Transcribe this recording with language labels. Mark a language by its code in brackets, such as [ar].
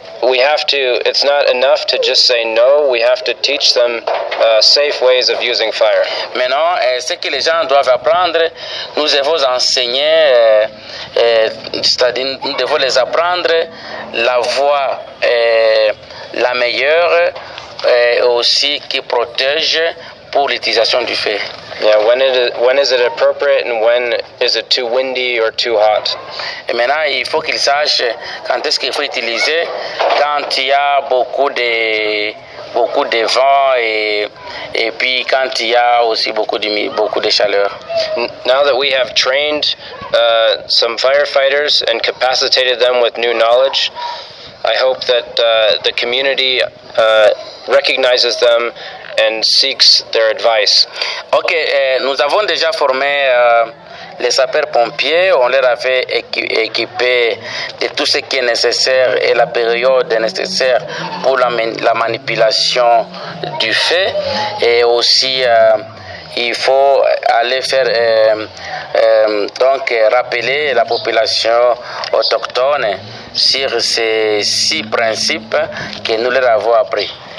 [en] We have to, it's not enough to just say no, we have to teach them safe ways of using fire. [fr] Maintenant, ce que les gens doivent apprendre, nous devons enseigner, c'est-à-dire nous devons les apprendre la voie la meilleure et aussi qui protège pour l'utilisation du feu. [en] Yeah, when is it appropriate and when is it too windy or too hot? [fr] Et maintenant, il faut qu'il sache quand est-ce qu'il faut utiliser quand il y a beaucoup de vent et puis quand il y a aussi beaucoup de chaleur. [en] Now that we have trained some firefighters and capacitated them with new knowledge, I hope that the community recognizes them and seeks their advice. [fr] Ok, nous avons déjà formé les sapeurs-pompiers. On leur avait équipé de tout ce qui est nécessaire et la période nécessaire pour la manipulation du feu. Et aussi, il faut aller faire donc rappeler la population autochtone sur ces six principes que nous leur avons appris.